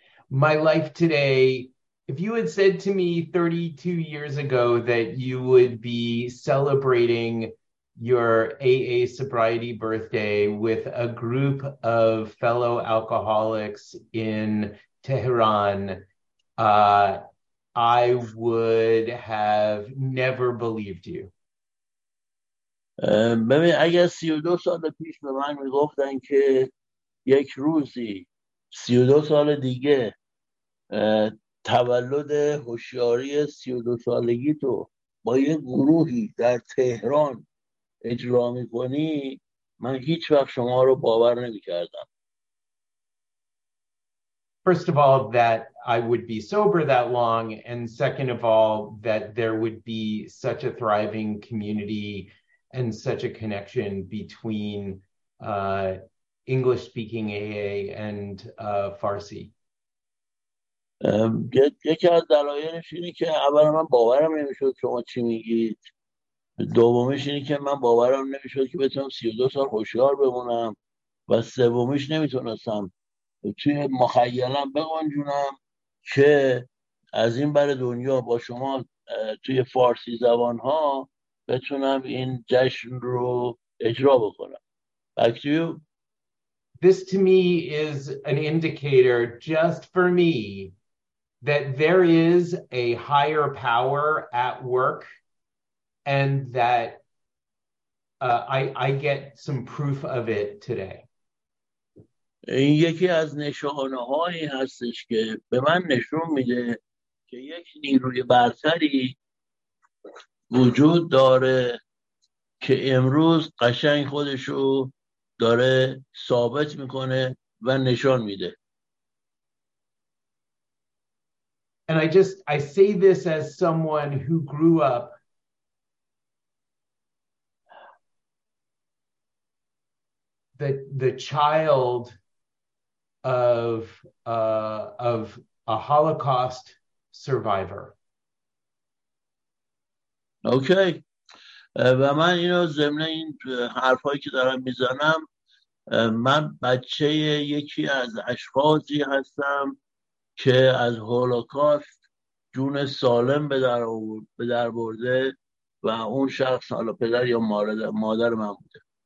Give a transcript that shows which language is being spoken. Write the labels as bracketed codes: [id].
[en] My life today, if you had said to me 32 years ago that you would be celebrating your AA sobriety birthday with a group of fellow alcoholics in Tehran, I would have never believed you. [fa] ببین اگر 32 سال پیش به من میگفتن که یک روزی 32 سال دیگه تولد هوشیاری 32 سالگی تو با یک گروهی در تهران اجرا میکنی، من هیچ وقت شما رو باور نمی کردم. [en] First of all, that I would be sober that long, and second of all, that there would be such a thriving community and such a connection between English-speaking AA and Farsi. [fa] یکی از دلایلش اینه که اول من باورم نمی شد شما چی میگید، دومیش اینه که من باورم نمیشد که بتونم 32 سال هوشیار بمونم، و سومیش نمیتونستم توی مخیلم بگنجونم که از این بر دنیا با شما توی فارسی زبان ها بتونم این جشن رو اجرا بکنم. [en] Back to you. This to me is an indicator just for me that there is a higher power at work and that I get some proof of it today. [fa] این یکی از نشانه هایی هستش که به من نشون میده که یک نیروی برتری وجود داره که امروز قشنگ خودشو داره ثابت میکنه و نشان میده. [en] And I say this as someone who grew up the child of a Holocaust survivor. Okay. [fa] و من اینو ضمن این حرفایی که دارم میزنم، من بچه یکی از اشخاصی هستم که از هولوکاست جون سالم به در برده و اون شخص حالا پدر یا مادر من بوده.